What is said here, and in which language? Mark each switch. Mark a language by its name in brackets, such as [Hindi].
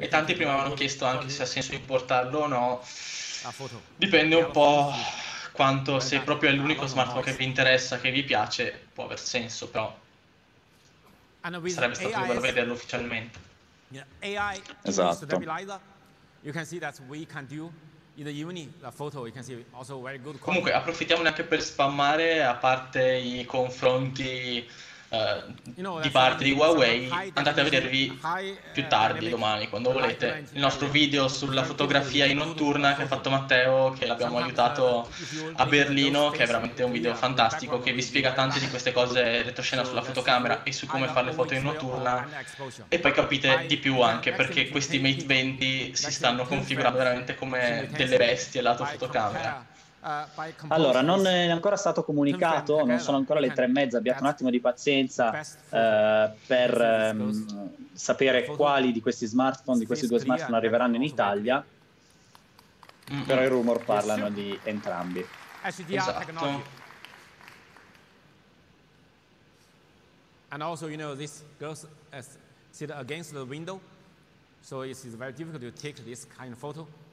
[Italian] E tanti prima avevano chiesto anche se ha senso importarlo o no. Dipende un po' quanto, se proprio è l'unico smartphone che vi interessa, che vi piace, può aver senso, però sarebbe stato bello vederlo ufficialmente. [English] AI stabilizer. You can see that we can do in the uni the photo. You can see also very good. [Italian] Comunque approfittiamo anche per spammare, a parte i confronti di parte di Huawei, andate a vedervi più tardi domani quando volete il nostro video sulla fotografia in notturna che ha fatto Matteo, che l'abbiamo aiutato a Berlino, che è veramente un video fantastico che vi spiega tante di queste cose retroscena sulla fotocamera e su come fare le foto in notturna, e poi capite di più anche perché questi Mate 20 si stanno configurando veramente come delle bestie lato fotocamera. Allora, non è ancora stato comunicato, non sono ancora le 3:30, abbiate un attimo di pazienza per sapere quali di questi smartphone, di questi due smartphone arriveranno in Italia, però i rumor parlano di entrambi. Esatto. [English] And also, you know, this girl sit against the window, so it is very difficult to take this kind of photo.